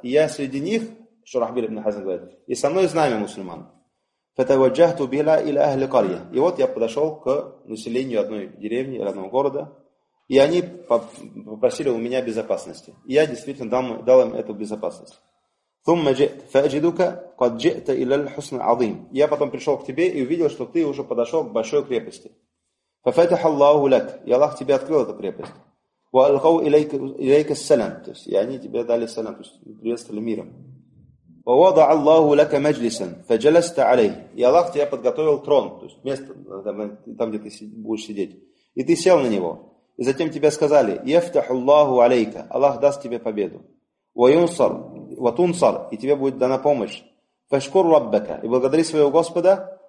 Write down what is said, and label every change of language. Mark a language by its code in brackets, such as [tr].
[ru] И я среди них, что Рахбир ибн Хазин говорит, и со мной знамя мусульман. [ar] فتوجهت بلا الى اهل قريه. [ru] И вот я подошёл к населению одной деревни, родного города, и они попросили у меня безопасности. И я действительно дал им эту безопасность. [ar] ثم جئت فاجدك قد جئت الى الحصن العظيم. [ru] Я потом пришёл к тебе и увидел, что ты уже подошёл к большой крепости. [ar] ففتح الله لك. [ru] И Аллах тебе открыл эту крепость. [ar] والقوا اليك السلام. [ru] То есть, и они тебе дали салам, то есть приветствовали миром. [ar] ووضع الله لك مجلسا فجلست عليه. [ru] И Аллах тебе подготовил трон, то есть место там, где ты будешь сидеть. И ты сел на него. И затем тебе сказали: [ar] يفتح الله عليك. [ru] Аллах даст тебе победу. [ar] وينصر وتنصر. [ru] И тебе будет дана помощь. [ar] فاشكر ربك. [ru] И благодари своего Господа.